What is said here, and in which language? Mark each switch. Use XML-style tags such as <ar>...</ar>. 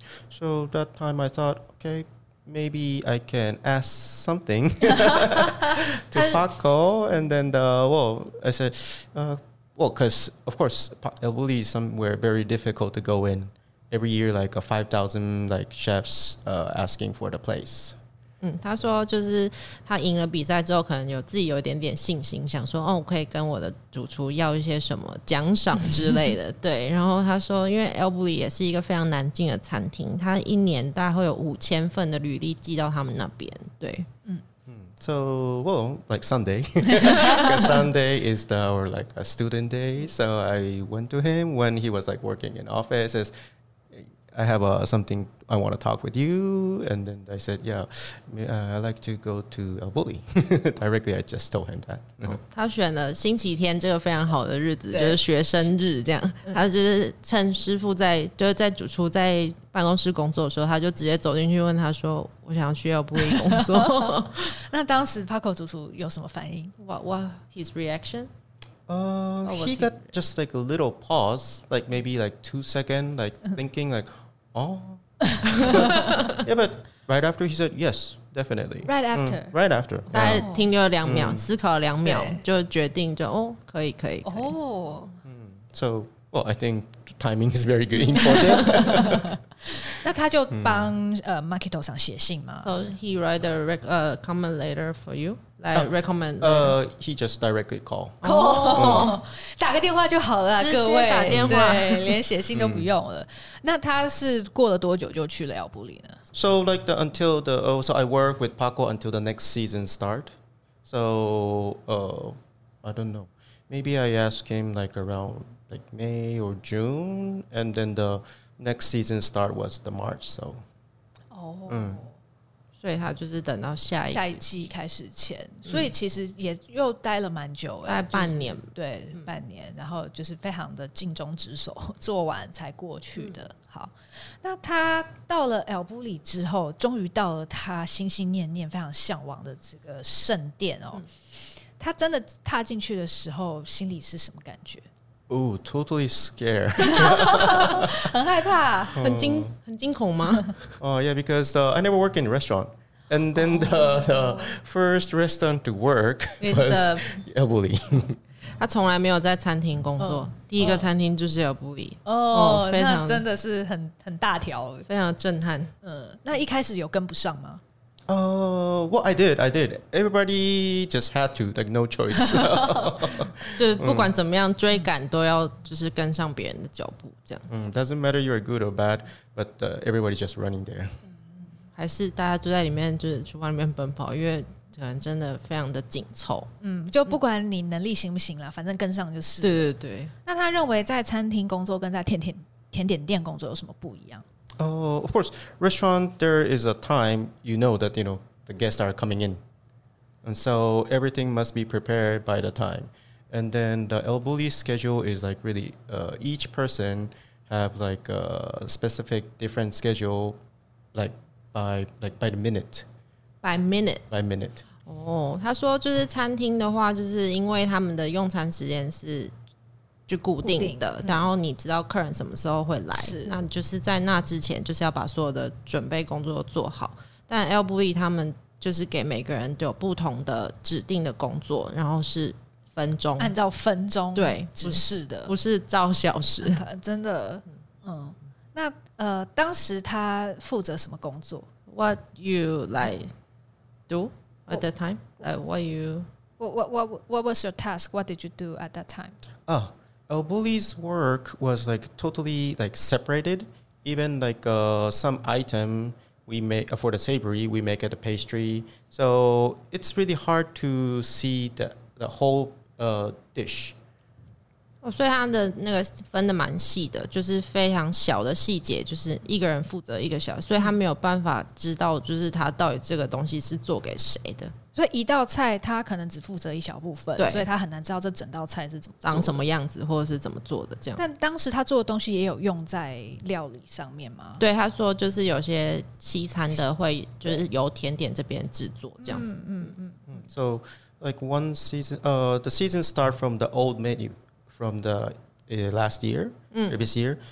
<en>So that time I thought OK maybe I can ask something to Paco and then the, well I said Well, because, of course, El Bulli is somewhere very difficult to go in. Every year, like, 5,000, like, chefs asking for the place.</en> <zh>嗯，他说就是他赢了比赛之后，可能有自己有一点点信心，想说，哦，我可以跟我的主厨要一些什么奖赏之类的。对，然后他说，因为 El Bulli 也是一个非常难进的餐厅，他一年大概会有5,000份的履历寄到他们那边。对，嗯。</zh> <en>So, well, like Sunday, Sunday is the, or like a student day. So I went to him when he was like working in office. Says, I have something I want to talk with you. And then I said, yeah, I'd like to go to El Bulli. Directly, I just told him that.</en> <zh>他选了星期天这个非常好的日子，就是学生日这样。他就是趁师傅在，就是在主厨在办公室工作的时候，他就直接走进去问他说，我想要去El Bulli工作。那当时 Paco 主厨有什么反应？</zh> <en>What his reaction? He got just like a little pause, like maybe like 2 seconds, like thinking like, oh. yeah, but right after he said, yes, definitely. Right after. Right after.</en> <zh>大概停留了两秒，思考了两秒，就决定就哦，可以，可以，可以。</zh> <en>So, well, I think timing is very good important.</en> <zh>那他就帮Makito 上写信吗</zh> <en>So he write a comment letter for you Like recommend He just directly call</en> <zh>打个电话就好了各位直接打电话对连写信都不用了那他是过了多久就去了El Bulli呢</zh> <en>So like the until the So I work with Paco until the next season start So I don't know Maybe I ask him like around like May or June And then theNext season start was the March, so. Oh.</en> <zh>所以他就是等到下一季。下一季开始前。所以其实也又待了蛮久。待半年。对，半年。然后就是非常的尽忠职守，做完才过去的。好。那他到了El Bulli之后，终于到了他心心念念非常向往的这个圣殿哦。他真的踏进去的时候，心里是什么感觉？</zh> <en>Oh, totally scared.</en> <zh>很害怕，很惊恐吗？</zh> <en>Yeah, because I never worked in a restaurant. And then the first restaurant to work was El Bulli.</en> <zh>他从来没有在餐厅工作，第一个餐厅就是El Bulli。哦，那真的是很大条，非常震撼。嗯，那一开始有跟不上吗？</zh> <en>Well, I did. Everybody just had to, like, no choice.</en> <zh>就不管怎么样追赶都要就是跟上别人的脚步这样。</zh> <en>Doesn't matter you are good or bad, but everybody's just running there.</en> <zh>还是大家就在里面就是厨房里面奔跑，因为可能真的非常的紧凑。就不管你能力行不行啦，反正跟上就是。对对对。那他认为在餐厅工作跟在甜点店工作有什么不一样？</zh> <en>Of course, restaurant, there is a time you know that, you know, the guests are coming in. And so everything must be prepared by the time. And then the El Bulli schedule is like really, each person have like a specific different schedule, like by the minute. By minute.</en> <zh>他说就是餐厅的话就是因为他们的用餐时间是就固定的固定、然后你知道客人什么时候会来是那就是在那之前就是要把所有的准备工作做好但 El Bulli 他们就是给每个人都有不同的指定的工作然后是分钟按照分钟对指示的不是照小时真的那当时他负责什么工作</zh> <en>What you like do at that time like what you what was your task what did you do at that time ohEl Bulli's work was like totally like separated. Even like some item we make for the savory, we make at the pastry. So it's really hard to see the whole dish.</en> <zh>所以他的那个分的蛮细的，就是非常小的细节，就是一个人负责一个小，所以他没有办法知道就是他到底这个东西是做给谁的，所以一道菜他可能只负责一小部分，對，所以他很难知道这整道菜是怎么长什么样子或者是怎么做的这样。但当时他做的东西也有用在料理上面吗？对，他说就是有些西餐的会就是由甜点这边制作这样子。嗯嗯嗯。</zh> <en>So like one season, the season start from the old menu from the last year, previous year.</en>